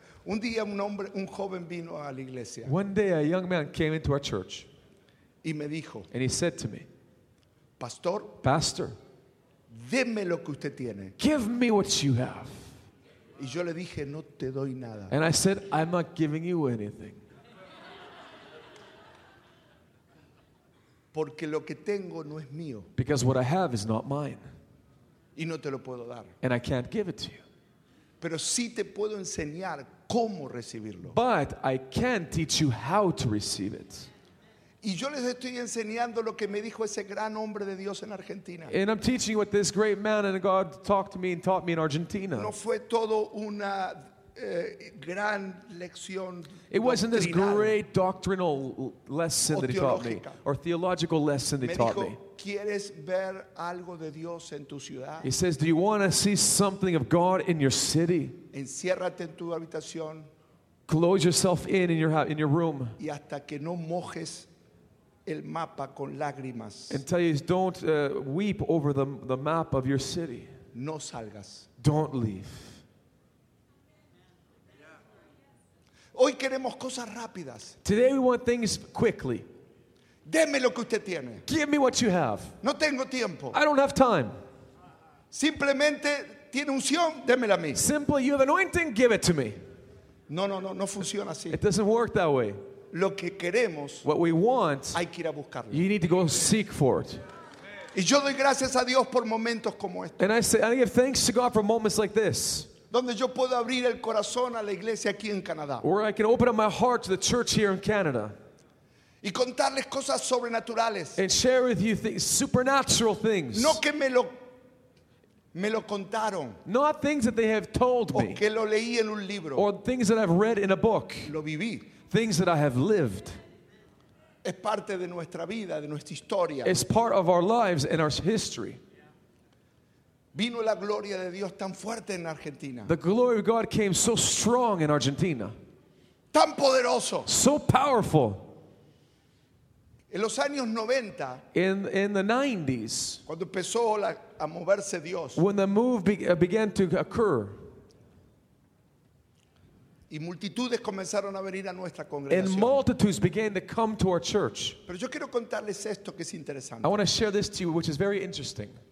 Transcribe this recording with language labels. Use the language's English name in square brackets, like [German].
[Spanish] Un día un hombre, un joven vino a la iglesia. [English] One day a young man came into our church. [Spanish] Y me dijo. [English] And he said to me. [Spanish] Pastor. [English] Pastor. [Spanish] Deme lo que usted tiene. [English] Give me what you have. [Spanish] Y yo le dije, no te doy nada. [English] And I said, I'm not giving you anything. [Spanish] Porque lo que tengo no es mío. [English] Because what I have is not mine. [Spanish] Y no te lo puedo dar. [English] And I can't give it to you. [Spanish] Pero sí te puedo enseñar cómo recibirlo. [English] But I can teach you how to receive it. [Spanish] Y yo les estoy enseñando lo que me dijo ese gran hombre de Dios en Argentina. [English] And I'm teaching you what this great man and God talked to me and taught me in Argentina. [Spanish] No fue todo una gran lección. [English] It wasn't this great doctrinal lesson that he taught me, or theological lesson that he taught me. [Spanish] ¿Quieres ver algo de Dios en tu ciudad? [English] He says, do you want to see something of God in your city? [Spanish] Enciérrate en tu habitación. [English] Close yourself in your room. [Spanish] Y hasta que no mojes el mapa con lágrimas. [English] Until you don't weep over the map of your city. [Spanish] No salgas. [English] Don't leave. [Spanish] Hoy queremos cosas rápidas. [English] Today we want things quickly. [Spanish] Deme lo que usted tiene. [English] Give me what you have. [Spanish] No tengo tiempo. [English] I don't have time. [Spanish] Simplemente tiene unción, démela a mí. [English] Simply, you have anointing, give it to me. [Spanish] No, no, no, no funciona así. [English] It doesn't work that way. [Spanish] Lo que queremos, [English] what we want, [Spanish] hay que ir a buscarlo. [English] You need to go seek for it. [Spanish] Y yo doy gracias a Dios por momentos como estos. [English] And I give thanks to God for moments like this. [Spanish] Donde yo puedo abrir el corazón a la iglesia aquí en Canadá. [English] Where I can open up my heart to the church here in Canada. [Spanish] Y contarles cosas sobrenaturales. [English] And share with you things, supernatural things. [Spanish] No que me lo contaron. [English] Not things that they have told me. [Spanish] O que lo leí en un libro. [English] Or things that I've read in a book. [Spanish] Lo viví. [English] Things that I have lived. [Spanish] Es parte de nuestra vida, de nuestra historia. [English] It's part of our lives and our history. [Spanish] Vino la gloria de Dios tan fuerte en Argentina. [English] The glory of God came so strong in Argentina. [Spanish] Tan poderoso. [English] So powerful. [Spanish] En los años 90, [English] in the 90s, [Spanish] cuando empezó a moverse Dios, [English] when the move began to occur, [Spanish] y multitudes comenzaron a venir a nuestra congregación. [English] And multitudes began to come to our church. [Spanish] Pero yo quiero contarles esto que es interesante. [English] I want to share this to you, which is very interesting.